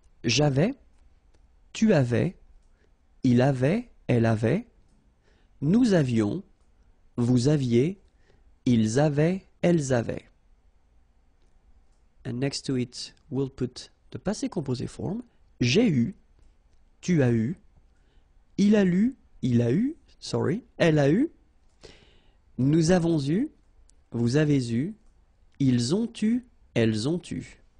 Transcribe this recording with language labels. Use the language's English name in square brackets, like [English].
[French] J'avais, tu avais, il avait, elle avait, nous avions, vous aviez, ils avaient, elles avaient. [English] And next to it, we'll put the passé composé form. [French] J'ai eu. Tu as eu, il a lu, il a eu, [English] sorry, [French] elle a eu, nous avons eu, vous avez eu, ils ont eu, elles ont eu.